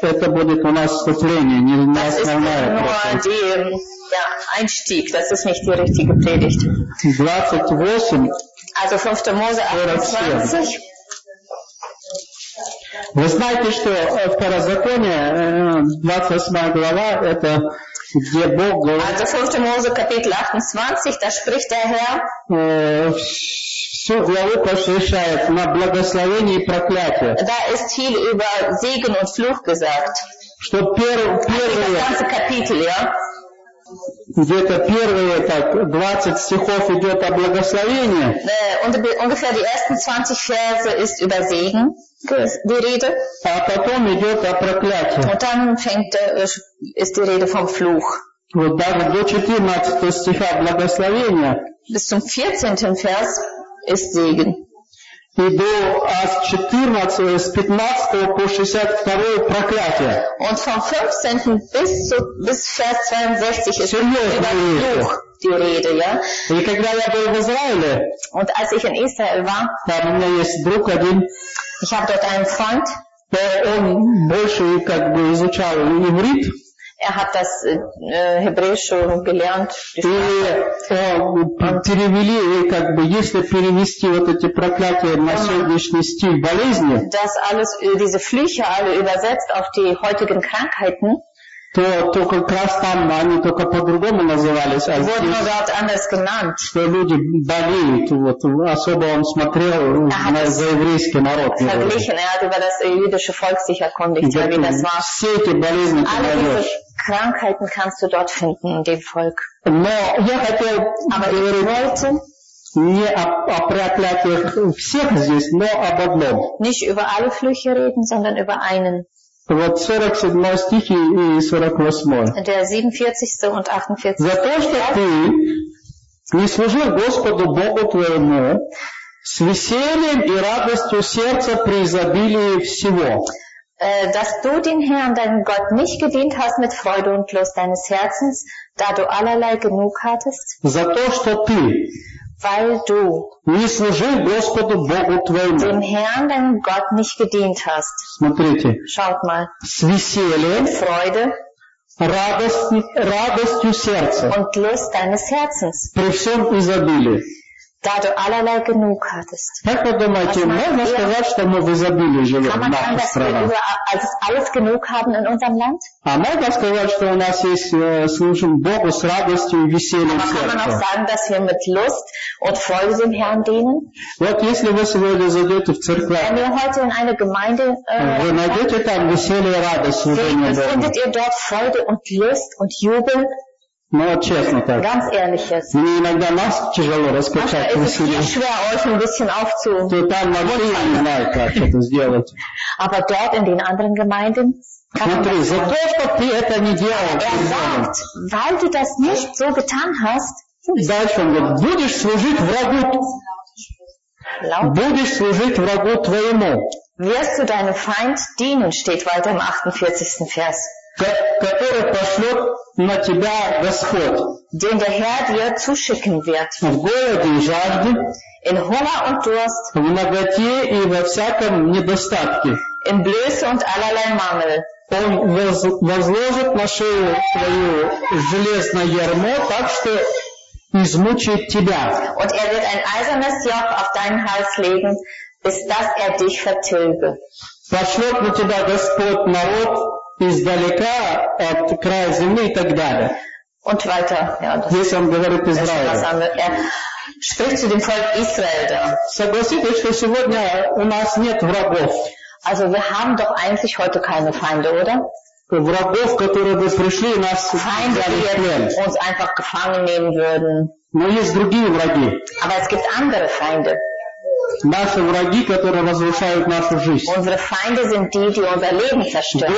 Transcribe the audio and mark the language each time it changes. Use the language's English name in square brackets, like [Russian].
[Russian] Это будет у нас вступление, не основная. [German] Das ist nur der Einstieg. Das ist nicht die richtige Predigt. [Russian] 28. [German] Also 5 Mose 28. [Russian] Вы знаете, что Второзаконие, 28 глава, это где Бог говорит... [German] Also 5 Mose, Kapitel 28, da spricht der Herr... [Russian] Всю главу посвящает на благословение и проклятие. [German] Da ist viel über Segen und Fluch gesagt. [Russian] Что первое... [German] Das ganze Kapitel, ja? [Russian] Где-то первые так, 20 стихов идет о благословении. [German] Ungefähr die ersten 20 Verse ist über Segen. Die Rede. [Russian] А потом идет о проклятии. [German] Und dann fängt, ist die Rede vom Fluch. [Russian] Вот даже до 14 стиха благословения. [German] Bis zum 14. Vers ist Segen. [Russian] И до 15 по 62 проклятие. [German] Und vom 15. bis Vers 62 ist über Fluch. Die Rede, ja? [Russian] И когда я был в Израиле, [German] und als ich in Israel war, [Russian] da у меня есть друг один, [German] ich habe dort einen Freund, [Russian] der он больше как бы изучал иврит. [German] Er hat das Hebräische gelernt. [Russian] Перевели, как бы, если перевести вот эти проклятия на сегодняшний стиль болезни, [German] das alles, diese Flüche alle übersetzt auf die heutigen Krankheiten, [Russian] то только раз там они только по-другому назывались, а здесь, что люди болеют, вот, особо он смотрел за еврейский народ. [German] Verglichen, er hat über das jüdische Volk sich erkundigt, ja, wie das war. [Russian] Все эти болезни, [German] alle diese Krankheiten kannst du dort finden, in dem Volk. [Russian] Но я хотел говорить не о проклятиях всех здесь, но об одном. [German] Nicht über alle Flüche reden, sondern über einen. [Russian] Вот 47 стихи и 48. [German] Der 47. und 48. [Russian] За то, что ты не служил Господу Богу твоему с весельем и радостью сердца при изобилии всего. [German] dass du den Herrn, deinen Gott, nicht gedient hast mit Freude und Lust deines Herzens, da du allerlei genug hattest, weil du dem Herrn, deinem Gott, nicht gedient hast. [Russian] Смотрите, [German] schaut mal, [Russian] с весельем, [German] mit Freude [Russian] радостью сердца, [German] und Lust deines Herzens, [Russian] при всем изобилии. [German] Da du allerlei genug hattest. [Russian] Как вы думаете, можно сказать, что мы в изобилии живем в наших странах? [German] Alles genug haben in unserem Land? [Russian] А можно сказать, что у нас есть, служим Богу с радостью и весельем сердца? [German] Kann man auch sagen, dass wir mit Lust und Freude dem Herrn dienen? [Russian] Вот если вы сегодня зайдете в церковь, [German] wenn ihr heute in eine Gemeinde, [Russian] вы найдете там веселье и радость служения Богу. [German] Findet ihr dort Freude und Lust und Jubel? [Russian] Ну, вот честно так. [German] Ganz ehrlich jetzt. [Russian] Мне иногда нас тяжело раскачать веселье. То там вообще не знают, как это сделать. [German] Aber dort in den anderen Gemeinden, [Russian] смотри, за то, что ты это не делал. [German] Sagt, weil du das nicht so getan hast, [Russian] дальше он говорит, будешь служить врагу. Будешь служить врагу твоему. [German] Wirst du deinem Feind dienen, steht weiter im 48. Vers. [Russian] Который пошлет на тебя Господь, [German] den der Herr dir zuschicken wird, [Russian] в голоде и жажде, [German] in Hunger und Durst, [Russian] в наготе и во всяком недостатке, [German] in Blöße und allerlei Mangel. [Russian] Он возложит на шею твою железное ярмо, так что измучит тебя. [German] Und er wird ein eisernes Joch auf deinen Hals legen, bis dass er dich vertilge. [Russian] Пошлет на тебя Господь народ издалека от края земли и так далее. [German] Und weiter, ja, [Russian] если он говорит Израиль. [German] Spricht zu dem Volk Israel, да. [Russian] Согласитесь, что сегодня у нас нет врагов. [German] Also wir haben doch eigentlich heute keine Feinde, oder? [Russian] Врагов, которые бы пришли и нас [German] uns einfach gefangen nehmen würden. [Russian] Но есть другие враги. [German] Aber es gibt andere Feinde. [Russian] Наши враги, которые разрушают нашу жизнь. [German] Unsere Feinde sind die, die unser Leben zerstören.